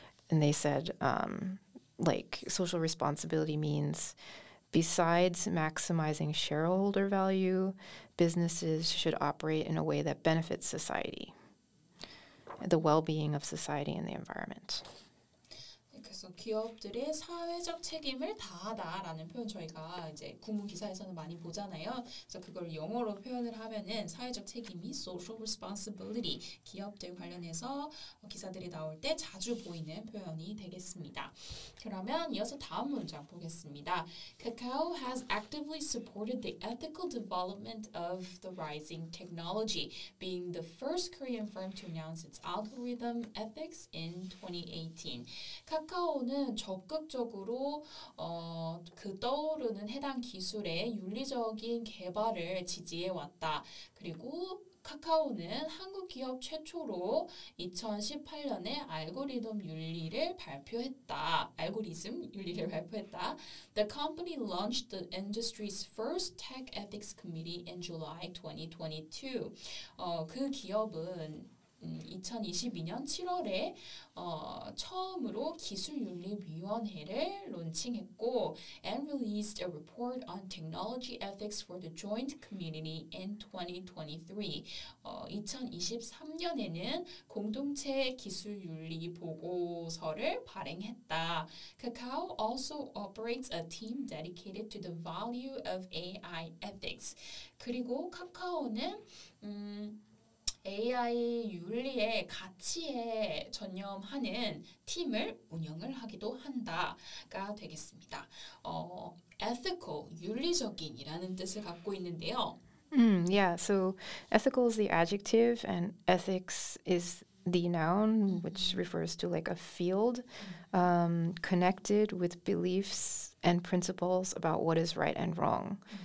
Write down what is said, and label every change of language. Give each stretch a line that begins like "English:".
English: And they said, like, social responsibility means besides maximizing shareholder value, businesses should operate in a way that benefits society, the well-being of society and the environment.
Korean: 기업들의 사회적 책임을 다하다라는 표현 저희가 이제 구문 기사에서는 많이 보잖아요. 그래서 그걸 영어로 표현을 하면은 사회적 책임이 social responsibility 기업들 관련해서 기사들이 나올 때 자주 보이는 표현이 되겠습니다. 그러면 이어서 다음 문장 보겠습니다.
English: Kakao has actively supported the ethical development of the rising technology, being the first Korean firm to announce its algorithm ethics in 2018.
Korean: 카카오는 적극적으로 그 떠오르는 해당 기술의 윤리적인 개발을 지지해 왔다. 그리고 카카오는 한국 기업 최초로 2018년에 알고리즘 윤리를 발표했다. 알고리즘 윤리를 발표했다.
English: The company launched the industry's first tech ethics committee in July 2022.
Korean: 그 기업은 2022년 7월에 처음으로 기술윤리위원회를 론칭했고
English: and released a report on technology ethics for the joint community in 2023.
Korean: 2023년에는 공동체 기술윤리 보고서를 발행했다.
English: Kakao also operates a team dedicated to the value of AI ethics.
Korean: 그리고 카카오는 AI 윤리의 가치에 전념하는 팀을 운영을 하기도 한다가 되겠습니다. Ethical, 윤리적인이라는 뜻을 갖고 있는데요.
English: Yeah, so ethical is the adjective and ethics is the noun, which refers to like a field connected with beliefs and principles about what is right and wrong.